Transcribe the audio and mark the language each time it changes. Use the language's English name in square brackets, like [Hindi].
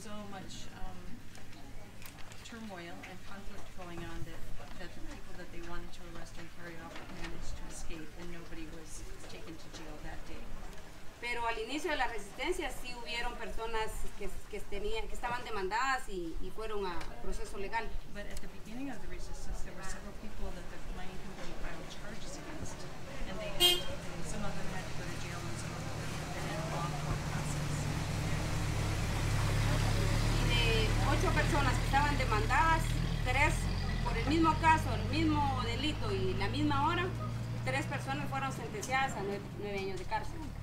[English] So much, turmoil and conflict going on that the people that they wanted to arrest and carry off managed to escape and nobody was taken to jail that day. [Spanish] Pero al inicio de la resistencia sí hubieron personas que estaban demandadas y fueron a proceso legal. [English] But at the beginning of the resistance there were several people that the mining company filed charges against and they had, some of them had to go to jail and some of them had been in law court process. [Spanish] Y de 8 personas que estaban demandadas, 3 por el mismo caso, el mismo delito y la misma hora, 3 personas fueron sentenciadas a 9 años de cárcel.